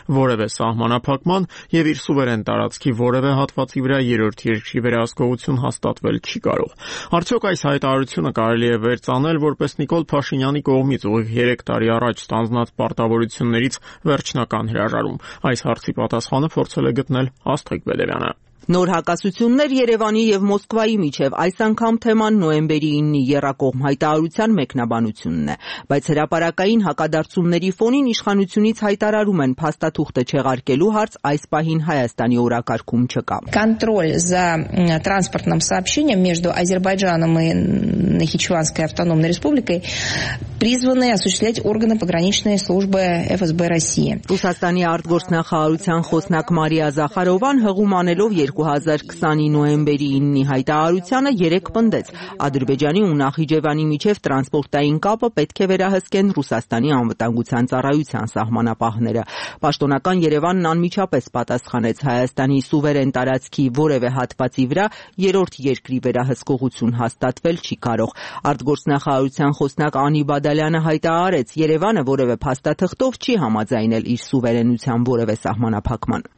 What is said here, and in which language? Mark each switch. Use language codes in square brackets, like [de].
[hy] որևէ սահմանափակման և իր սուվերեն տարածքի որևէ հատվածի վրա երրորդ երկրի վերահսկողություն հաստատվել չի կարող։ Արդյոք այս հայտարարությունը կարելի է վերծանել որպես Նիկոլ Փաշինյանի կողմից ուղիղ 3 տարի առաջ ստանձնած պարտավորությունների վերջնական հրաժարում։ Այս հարցի պատասխանը փորձել է գտնել Աստղիկ Բեդևյանը։ Նոր հակասություններ Երևանի և Մոսկվայի միջև, այս անգամ թեման նոյեմբերի 9-ի եռակողմ հայտարարության մեկնաբանությունն է, բայց հրապարակային հակադարձումների ֆոնին իշխանությունից հայտարարում են փաստաթուղթը չեղարկելու հարց այս պահին Հայաստանի օրակարգում չկա։ [ru] Контроль за транспортным сообщением между Азербайджаном и Нахичеванской автономной республикой призваны осуществлять органы пограничной службы ФСБ России։ [hy] Ռուսաստանի արտգործնախարարության խոսնակ Մարիա Զախարովան հղում անելով 2020 նոյեմբերի 9-ի հայտարարությունը երեք պնդեց. Ադրբեջանի ու Նախիջևանի միջև տրանսպորտային կապը պետք է վերահսկեն Ռուսաստանի անվտանգության ծառայության սահմանապահները։ Պաշտոնական Երևանն անմիջապես պատասխանեց Հայաստանի սուվերեն տարածքի որևէ հատվածի վրա երրորդ երկրի վերահսկողություն հաստատվել չի կարող։ Արտգործնախարարության խոսնակ Անի Բադալյանը հայտարարեց, Երևանը որևէ փաստաթղթով չի համաձայնել իր սուվերենության որևէ սահմանափակման։